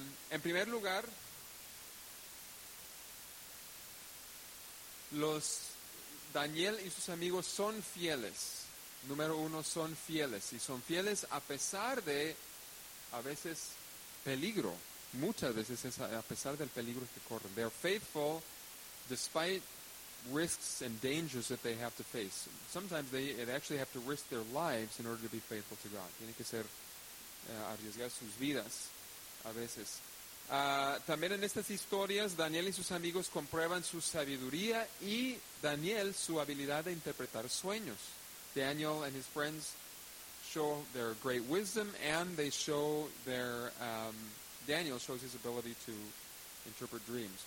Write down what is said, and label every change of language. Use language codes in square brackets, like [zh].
[es] En primer lugar, los Daniel y sus amigos son fieles. Número uno, son fieles. Y son fieles a pesar de, a veces, peligro. Muchas veces es a pesar del peligro que corren. [en] They are faithful despite risks and dangers that they have to face. Sometimes they actually have to risk their lives in order to be faithful to God. [es] Tienen que arriesgar sus vidas. a veces. También en estas historias, Daniel y sus amigos comprueban su sabiduría y Daniel su habilidad de interpretar sueños. [en] Daniel and his friends show their great wisdom, and they show their Daniel shows his ability to interpret dreams.